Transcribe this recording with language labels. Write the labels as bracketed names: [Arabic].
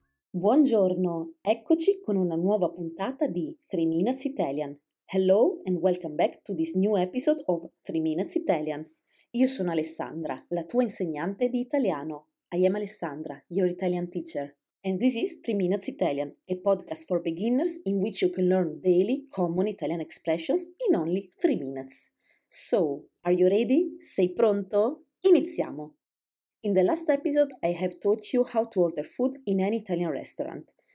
[Italian] Buongiorno, eccoci con una nuova puntata di 3 Minutes Italian. [English] Hello and welcome back to this new episode of 3 Minutes Italian. [Italian] Io sono Alessandra, la tua insegnante di italiano. [English] I am Alessandra, your Italian teacher. And this is 3 Minutes Italian, a podcast for beginners in which you can learn daily common Italian expressions in only 3 minutes. So, are you ready? [Italian] Sei pronto? Iniziamo! [English] In the last episode, I have taught you how to order food in any Italian restaurant.